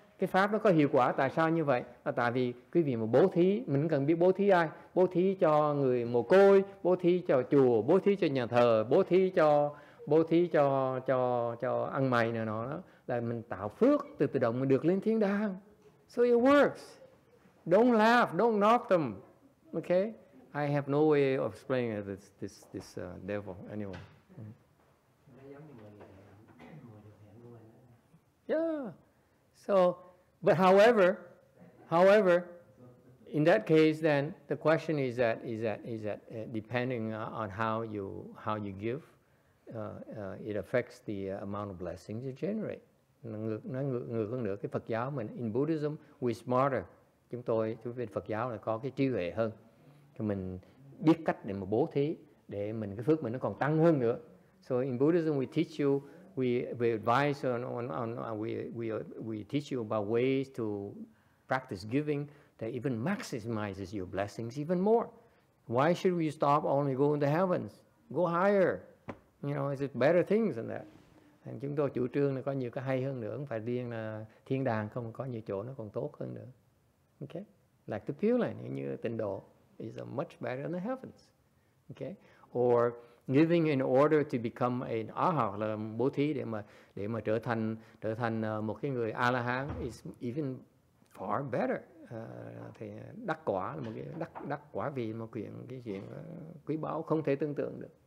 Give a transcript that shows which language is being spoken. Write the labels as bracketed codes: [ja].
[vi] Cái pháp nó có hiệu quả tại sao như vậy? Là tại vì quý vị mà bố thí, mình cần biết bố thí ai? Bố thí cho người mồ côi, bố thí cho chùa, bố thí cho nhà thờ, bố thí cho ăn mày này nọ đó, là mình tạo phước từ từ động mình được lên thiên đàng. [en] So it works. Don't laugh, don't knock them. Okay? I have no way of explaining this devil anyway. Yeah. So, but however, in that case, then the question is that depending on how you give, it affects the amount of blessings you generate. [vi] Ngược hơn nữa, cái Phật giáo mình [en] in Buddhism we smarter. [vi] Chúng bên Phật giáo là có cái trí huệ hơn. Thì mình biết cách để mà bố thí để mình cái phước mình nó còn tăng hơn nữa. [en] So in Buddhism we teach you. We advise we teach you about ways to practice giving that even maximizes your blessings even more. Why should we stop only going to heavens? Go higher. You know, is it better things than that? And [vi] chúng tôi chủ trương là có nhiều cái hay hơn nữa, không phải riêng là thiên đàng không, có nhiều chỗ nó còn tốt hơn nữa. [en] Okay, like the pure line, [vi] như tịnh độ [en] is much better than the heavens. Okay, or giving in order to become an arhat, [vi] là bố thí để mà trở thành một cái người A-la-hán, [en] is even far better. [vi] Thì đắc quả là một cái đắc quả vị, một cái chuyện quý báu không thể tưởng tượng được.